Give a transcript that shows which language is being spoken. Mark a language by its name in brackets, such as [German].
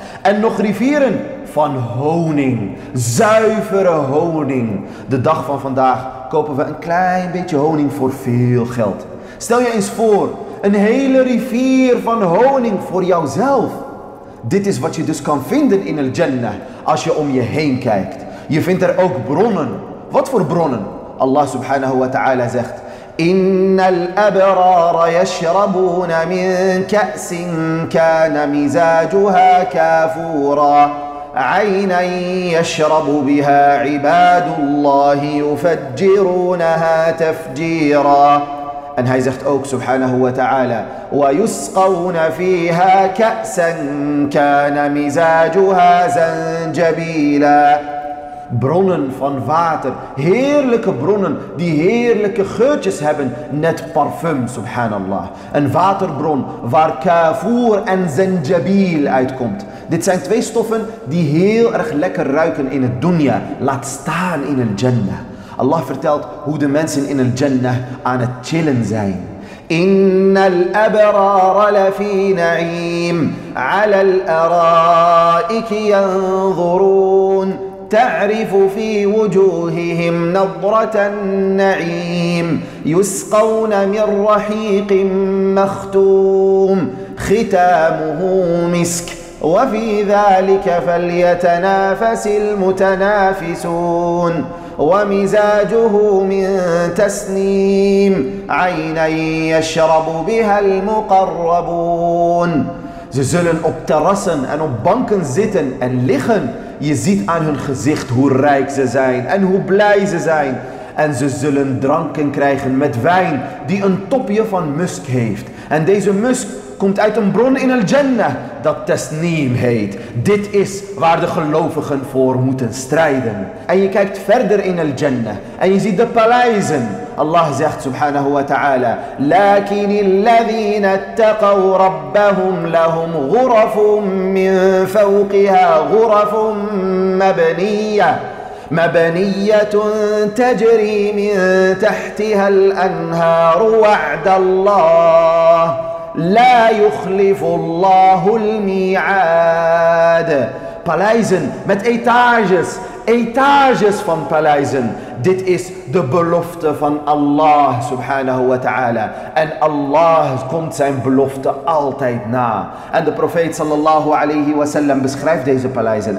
[Dutch] En nog rivieren van honing, zuivere honing. De dag van vandaag kopen we een klein beetje honing voor veel geld. Stel je eens voor, een hele rivier van honing voor jouzelf. Dit is wat je dus kan vinden in al-Jannah als je om je heen kijkt. Je vindt er ook bronnen. Wat voor bronnen? Allah subhanahu wa ta'ala zegt: [Arabic] إن الأبرار يشربون من كأس كان مزاجها كافورا عينا يشرب بها عباد الله يفجرونها تفجيرا. [Dutch] And he zegt ook subhanahu wa ta'ala: [Arabic] ويسقون فيها كأسا كان مزاجها زنجبيلا. [Dutch] Bronnen van water, heerlijke bronnen die heerlijke geurtjes hebben, net parfum, subhanallah. Een waterbron waar kafoor en zanjabil uitkomt. Dit zijn twee stoffen die heel erg lekker ruiken in het dunya, laat staan in het jannah. Allah vertelt hoe de mensen in het jannah aan het chillen zijn. [Arabic] إِنَّ الْأَبْرَارَ لَفِي نَعِيمٍ عَلَى الْأَرَائِكِ يَنْظُرُونَ تعرف في وجوههم نظرة النعيم يسقون من رحيق مختوم ختامه مسك وفي ذلك فليتنافس المتنافسون ومزاجه من تسنيم عينا يشرب بها المقربون. [Dutch] Ze zullen op terrassen en op banken zitten en liggen. Je ziet aan hun gezicht hoe rijk ze zijn en hoe blij ze zijn. En ze zullen dranken krijgen met wijn die een topje van musk heeft. En deze musk komt uit een bron in al-Jannah dat Tasneem heet. Dit is waar de gelovigen voor moeten strijden. En je kijkt verder in al-Jannah en je ziet de paleizen. Allah zegt subhanahu wa ta'ala: [Arabic] لكن الذين اتقوا ربهم لهم غرف من فوقها غرف مبنية مبنية تجري من تحتها الأنهار وعد الله لا يخلف الله الميعاد. [Dutch] Paleizen met etages, etages van paleizen. Dit is de belofte van Allah subhanahu wa ta'ala. En Allah komt zijn belofte altijd na. En de profeet sallallahu alayhi wa sallam beschrijft deze paleizen.